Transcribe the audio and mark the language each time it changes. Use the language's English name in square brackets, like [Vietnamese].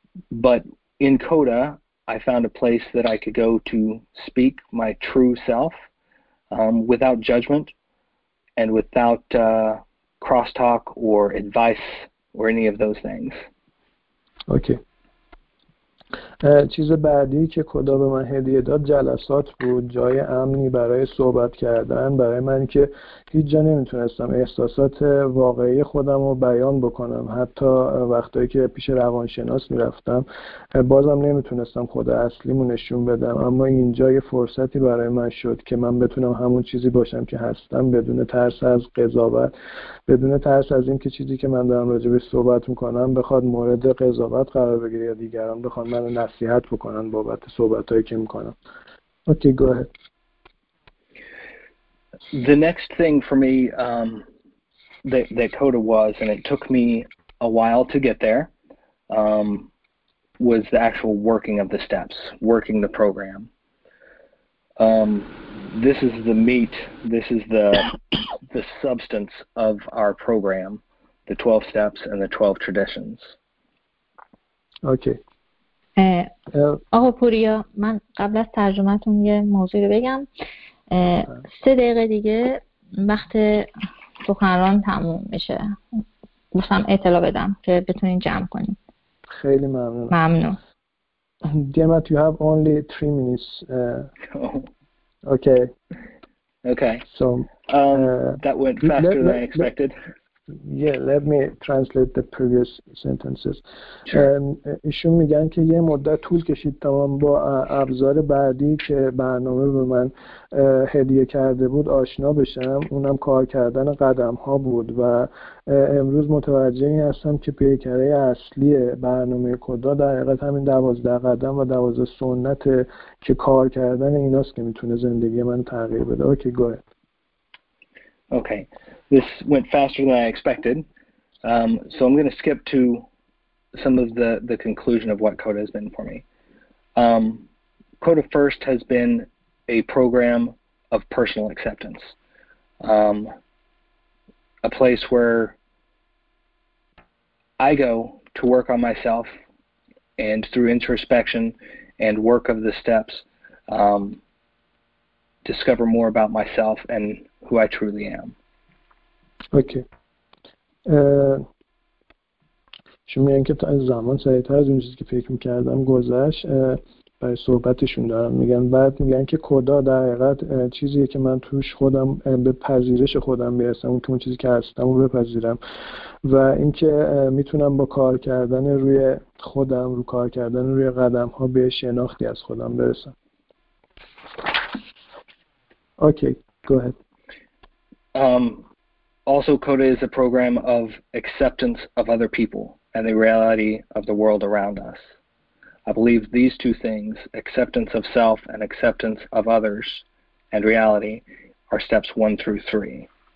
[English] But in CODA, I found a place that I could go to speak my true self without judgment and without crosstalk or advice or any of those things. Okay. [Persian] چیز بعدی که کودا به من هدیه داد جلسات بود، جای امنی برای صحبت کردن برای من که هیچ جا نمیتونستم احساسات واقعی خودم رو بیان بکنم، حتی وقتایی که پیش روانشناس میرفتم بازم نمیتونستم خود اصلیمو نشون بدم، اما اینجا یه فرصتی برای من شد که من بتونم همون چیزی باشم که هستم بدون ترس از قضاوت، بدون ترس از اینکه چیزی که من دارم راجع بهش صحبت میکنم بخواد مورد قضاوت قرار بگیره یا دیگران بخواد من رو نصیحت بکنن بابت صحبتایی که میکنم. [English] Okay, go ahead. The next thing for me that CODA was, and it took me a while to get there, was the actual working of the steps, working the program. This is the meat, this is the substance of our program, the 12 steps and the 12 traditions. Okay. [Persian] آقا پوریا، من قبل از ترجمتون یه موضوعی رو بگم. 3 دقیقه دیگه وقت سخنران تموم میشه، میخوام اطلاع بدم که بتونین جمع کنین. خیلی ممنون. ممنون. [English] Demet, you have only 3 minutes. Okay. Okay. So that went faster than I expected. Yeah, let me translate the previous sentences. Sure. [Persian] ایشون میگن که یه مدت طول کشید تا من با ابزار بعدی که برنامه به من هدیه کرده بود آشنا بشم، اونم کار کردن قدم ها بود و امروز متوجه این هستم که پیکره اصلی برنامه کودا در حقیقت همین 12 قدم و 12 سنت که کار کردن ایناست که میتونه زندگی من تغییر بده. [English] Okay, go ahead. Okay, this went faster than I expected, so I'm going to skip to some of the conclusion of what CODA has been for me. CODA First has been a program of personal acceptance, a place where I go to work on myself and through introspection and work of the steps discover more about myself and who I truly am. Okay. [Persian] شمی این که از زمان سریع‌تر از اون چیزی که فکر می‌کردم گذشت برای صحبتشون دارم میگن. بعد میگن که کدا در حقیقت چیزیه که من توش خودم به پذیرش خودم برسم، اون که اون چیزی که هستم رو بپذیرم، و اینکه میتونم با کار کردن روی خودم، رو کار کردن روی قدم‌ها به شناختی از خودم برسم. [English] Okay, go ahead. Also, CODA is a program of acceptance of other people and the reality of the world around us. I believe these two things, acceptance of self and acceptance of others and reality, are steps 1 through 3.